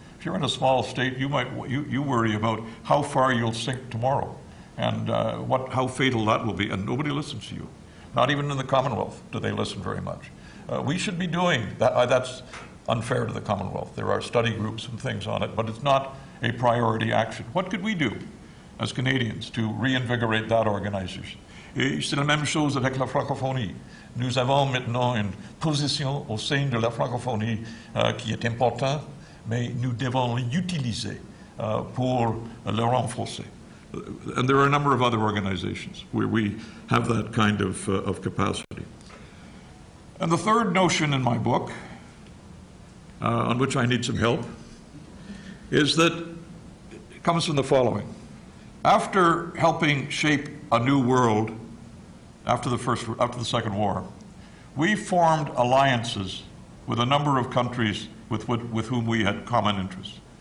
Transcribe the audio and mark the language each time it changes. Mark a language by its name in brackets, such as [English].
[English] If you're in a small state, you worry about how far you'll sink tomorrow and how fatal that will be, and nobody listens to you. Not even in the Commonwealth do they listen very much. We should be doing that. That's unfair to the Commonwealth. There are study groups and things on it, but it's not a priority action. What could we do as Canadians to reinvigorate that organization? [French] Et c'est la même chose avec la francophonie. Nous avons maintenant une position au sein de la francophonie qui est importante, mais nous devons l'utiliser pour le renforcer. [English] And there are a number of other organizations where we have that kind of capacity. And the third notion in my book, on which I need some help, is that it comes from the following. After helping shape a new world after the Second War, we formed alliances with a number of countries with whom we had common interests.